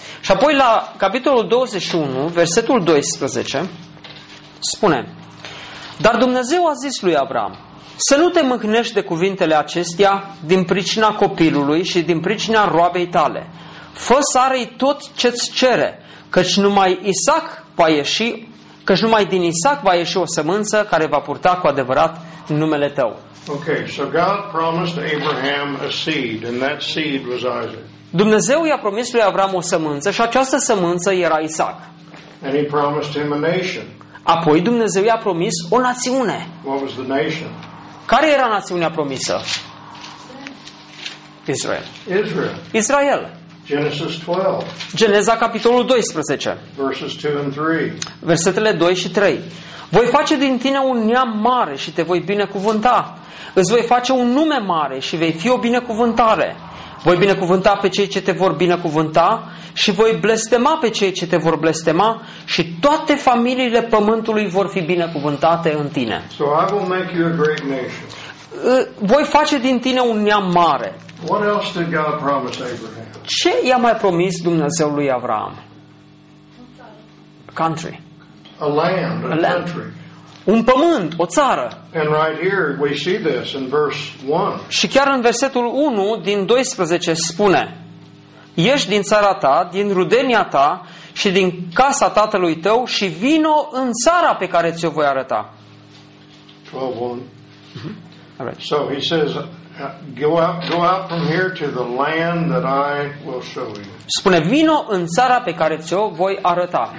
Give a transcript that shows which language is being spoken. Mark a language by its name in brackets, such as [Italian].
[Romanian] Și apoi la capitolul 21, versetul 12, spune: dar Dumnezeu a zis lui Avram: să nu te mâhnești de cuvintele acestea din pricina copilului și din pricina roabei tale. Fă Sarei tot ce-ți cere, căci numai Isaac va ieși, căci numai din Isaac va ieși o sămânță care va purta cu adevărat numele tău. [English] Okay, so God promised Abraham a seed, and that seed was Isaac. [Romanian] Dumnezeu i-a promis lui Avram o sămânță și această sămânță era Isaac. [English] And he promised him a nation. [Romanian] Apoi Dumnezeu i-a promis o națiune. [English] What was the nation? [Romanian] Care era națiunea promisă? [English] Israel. [Romanian] Israel. Israel. [English] Genesis 12. [Romanian] Geneza capitolul 12. [English] Verses 2 and 3. [Romanian] Versetele 2 și 3. Voi face din tine un neam mare și te voi binecuvânta. Îți voi face un nume mare și vei fi o binecuvântare. Voi binecuvânta pe cei ce te vor binecuvânta și voi blestema pe cei ce te vor blestema și toate familiile pământului vor fi binecuvântate în tine. [English] So I will make you a great nation. [Romanian] Voi face din tine un neam mare. [English] What else did God promise Abraham? [Romanian] Ce i-a mai promis Dumnezeu lui Avram? [English] Country. A land, a country. [Romanian] Un pământ, o țară. [English] And right here we see this in verse 1. [Romanian] Și chiar în versetul 1 din 12 spune: ieși din țara ta, din rudenia ta și din casa tatălui tău și vino în țara pe care ți-o voi arăta. [English] 12:1. Right. So he says, go out from here to the land that I will show you. [Romanian] Spune: vino în țara pe care ți-o voi arăta.